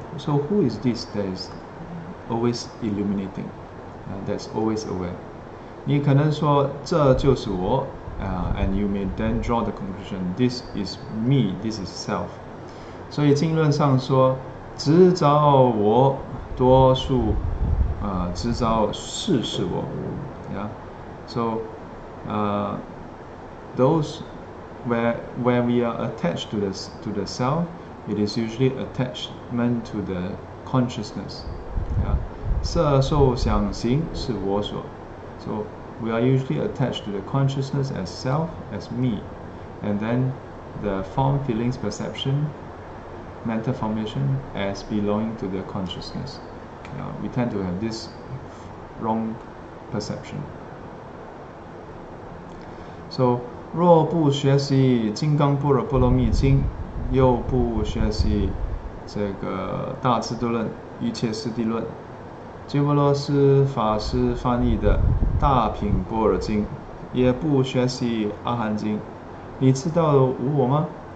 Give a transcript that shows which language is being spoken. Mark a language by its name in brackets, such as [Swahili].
[English] So, who is this that is always illuminating? That's always aware. [Chinese] 你可能说这就是我, [English] and you may then draw the conclusion, this is me, this is self. [Chinese] 所以经论上说,执着我多数,执着事是我。 [English] Yeah. So,those where we are attached to the self, it is usually attachment to the consciousness. [Chinese] Yeah, 色受想行是我所. [English] So we are usually attached to the consciousness as self, as me, and then the form, feelings, perception, mental formation as belonging to the consciousness. Yeah, we tend to have this wrong perception. [Chinese] So, 若不学习《金刚般若波罗蜜经》，又不学习这个《大智度论》《瑜伽师地论》，鸠摩罗什法师翻译的《大品般若经》，也不学习《阿含经》，你知道无我吗？